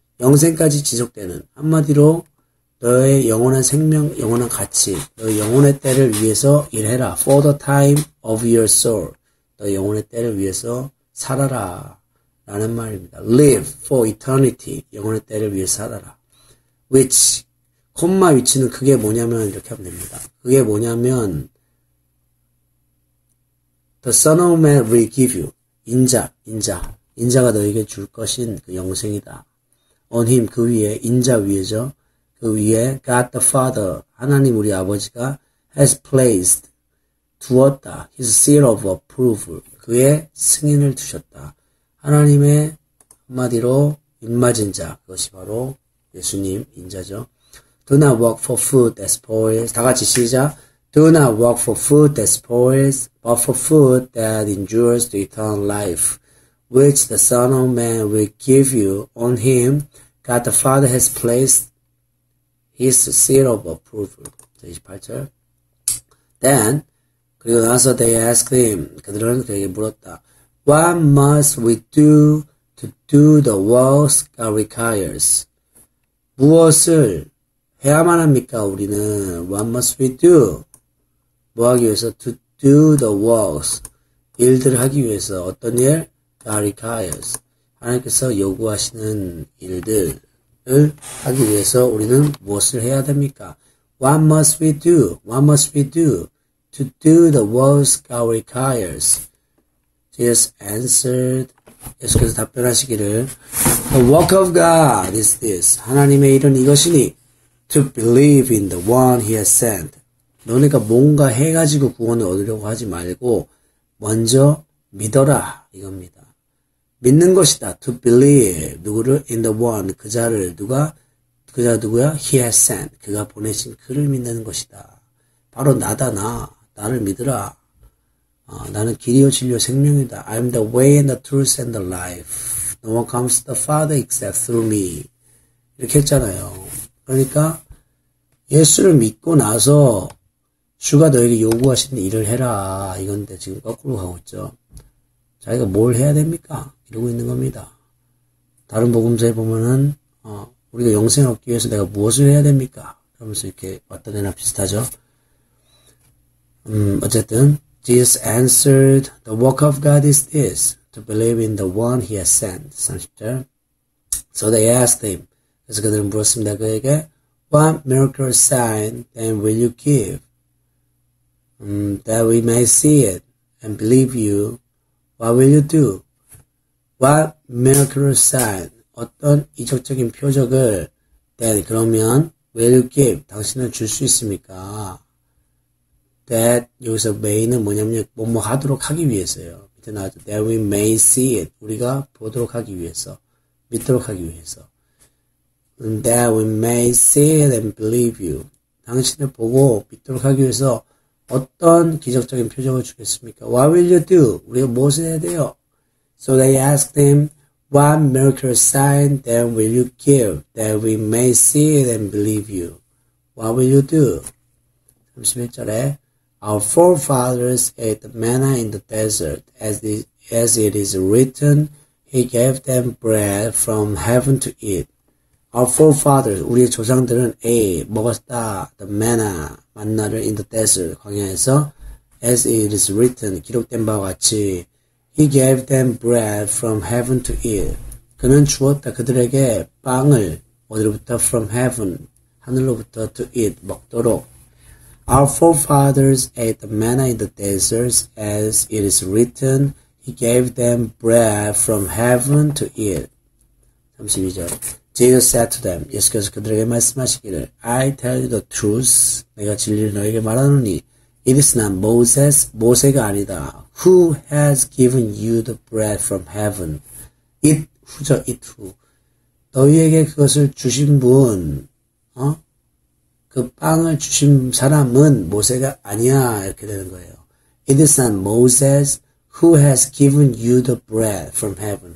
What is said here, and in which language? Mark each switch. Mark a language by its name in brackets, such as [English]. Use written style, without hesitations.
[Korean] 영생까지 지속되는 한마디로 너의 영원한 생명, 영원한 가치, 너의 영혼의 때를 위해서 일해라. [English] For the time of your soul. [Korean] 너의 영혼의 때를 위해서 살아라. 라는 말입니다. [English] Live for eternity. [Korean] 영혼의 때를 위해서 살아라. Which, 콤마 위치는 그게 뭐냐면 이렇게 하면 됩니다. 그게 뭐냐면 [English] The Son of Man will give you. [Korean] 인자가 너에게 줄 것인 그 영생이다. [English] On him, [Korean] 그 위에, 인자 위에죠. 그 위에 [English] God the Father [Korean] 하나님 우리 아버지가 [English] has placed [Korean] 두었다 [English] his seal of approval [Korean] 그의 승인을 두셨다 하나님의 한마디로 입맞은 자 그것이 바로 예수님 인자죠 [English] Do not work for food that spoils [Korean] 다 같이 시작 [English] Do not work for food that spoils but for food that endures to eternal life which the Son of Man will give you on him God the Father has placed His seal of approval. [Korean] 28절. [English] Then, [Korean] 그리고 나서 [English] they asked him, [Korean] 그들은 그에게 물었다. [English] What must we do to do the works God requires? [Korean] 무엇을 해야만 합니까, 우리는? [English] What must we do? [Korean] 뭐 하기 위해서? [English] To do the works. [Korean] 일들을 하기 위해서. 어떤 일? [English] God requires. [Korean] 하나님께서 요구하시는 일들. 을 하기 위해서 우리는 무엇을 해야 됩니까? [English] What must we do? What must we do to do the works God requires? Jesus answered. [Korean] 예수께서 답변하시기를, [English] The work of God is this. [Korean] 하나님의 일은 이것이니, [English] to believe in the one He has sent. [Korean] 너네가 뭔가 해가지고 구원을 얻으려고 하지 말고 먼저 믿어라 이겁니다. 믿는 것이다. [English] To believe. [Korean] 누구를? [English] In the one. [Korean] 그 자를. 누가? 그가 누구야? [English] He has sent. [Korean] 그가 보내신 그를 믿는 것이다. 바로 나다, 나. 나를 믿으라. 나는 길이요, 진리요, 생명이다. [English] I am the way and the truth and the life. No one comes to the Father except through me. [Korean] 이렇게 했잖아요. 그러니까 예수를 믿고 나서 주가 너에게 요구하신 일을 해라. 이건데 지금 거꾸로 가고 있죠. 자기가 뭘 해야 됩니까? 이러고 있는 겁니다. 다른 복음서에 보면은 우리가 영생을 얻기 위해서 내가 무엇을 해야 됩니까? 그러면서 이렇게 왔던 애나 비슷하죠. 어쨌든 [English] Jesus answered, "The work of God is this: to believe in the one He has sent." [Korean] 30절. [English] So they asked him. [Korean] 그래서 그들은 물었습니다. 그에게 [English] "What miracle sign then will you give, that we may see it and believe you? What will you do? What miracle sign?" [Korean] 어떤 이적적인 표적을 [English] then [Korean] 그러면 [English] will you give? [Korean] 당신은 줄수 있습니까? That 여기서 may는 뭐냐면 뭐뭐 하도록 하기 위해서예요. 밑에 나왔죠. [English] That we may see it. [Korean] 우리가 보도록 하기 위해서, 믿도록 하기 위해서. [English] And that we may see it and believe you. [Korean] 당신을 보고 믿도록 하기 위해서 어떤 기적적인 표적을 주겠습니까? What will you do? 우리가 무엇을 해야 돼요? [English] So they asked him, "What miracle sign then will you give that we may see it and believe you? What will you do?" [Korean] 31절에 [English] "Our forefathers ate manna in the desert, as it is written, He gave them bread from heaven to eat." Our forefathers, [Korean] 우리의 조상들은 에이, 먹었다, [English] the manna, [Korean] 만나를 [English] in the desert, [Korean] 광야에서, [English] as it is written, [Korean] 기록된 바와 같이, [English] He gave them bread from heaven to eat. [Korean] 그는 주었다, 그들에게 빵을, 어디로부터? [English] From heaven, [Korean] 하늘로부터 [English] to eat, [Korean] 먹도록. [English] Our forefathers ate manna in the deserts, as it is written, He gave them bread from heaven to eat. [Korean] 32절. [English] Jesus said to them, [Korean] 예수께서 그들에게 말씀하시기를, [English] I tell you the truth, [Korean] 내가 진리를 너에게 말하노니, [English] it is not Moses, [Korean] 모세가 아니다, [English] who has given you the bread from heaven. It, who죠, it who. [Korean] 너희에게 그것을 주신 분, 그 빵을 주신 사람은 모세가 아니야. 이렇게 되는 거예요. [English] It is not Moses who has given you the bread from heaven.